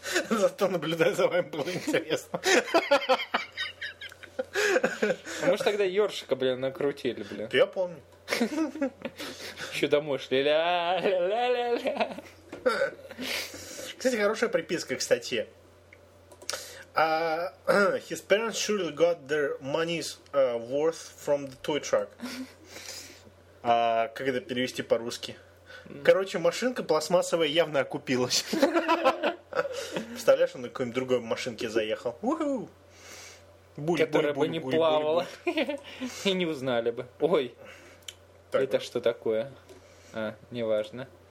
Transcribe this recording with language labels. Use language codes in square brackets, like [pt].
[ru] Зато наблюдать за вами было интересно. Мы же тогда ёршика, блин, накрутили, блин. Я помню. Еще домой шли. Ля-ля-ля-ля-ля. Кстати, хорошая приписка к статье. [en] His parents surely got their money's worth from the toy truck. [ru] Как это перевести по-русски? Короче, машинка пластмассовая явно окупилась. Представляешь, он на какой-нибудь другой машинке заехал. Которая бы не плавала. И не узнали бы. Ой, так это вот. Что такое? А, неважно.